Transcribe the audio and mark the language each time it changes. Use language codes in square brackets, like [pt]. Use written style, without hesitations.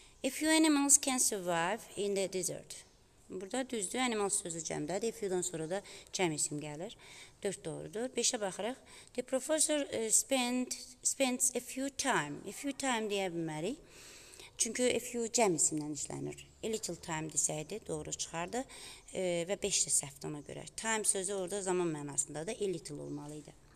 [en] A few animals can survive in the desert. [az] Burada düzdür, animals sözü cəmdədir. A few-dan sonra da cəm isim gəlir. 4 doğrudur. 5-ə baxırıq. [en] The professor spends a few time. [az] A few time deyə bilməliyik. Çünki a few cəm isimdən işlənir. A little time desəkdi, doğru çıxardı və 5 də səhvdir ona görə. Time sözü orada zaman mənasında da a little olmalı idi.